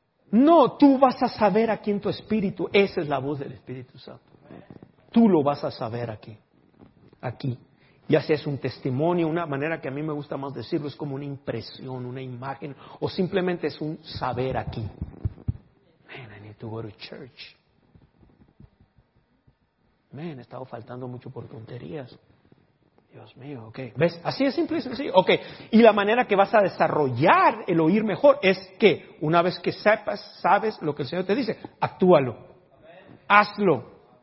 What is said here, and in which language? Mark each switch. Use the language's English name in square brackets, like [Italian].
[Spanish] No, tú vas a saber aquí en tu espíritu. Esa es la voz del Espíritu Santo. Tú lo vas a saber aquí. Aquí. Ya sea es un testimonio, una manera que a mí me gusta más decirlo, es como una impresión, una imagen, o simplemente es un saber aquí. [English] Man, I need to go to church. [Spanish] Man, he estado faltando mucho por tonterías. Dios mío, ok. ¿Ves? Así es simple y sencillo. Ok. Y la manera que vas a desarrollar el oír mejor es que una vez que sepas, sabes lo que el Señor te dice, actúalo. Hazlo.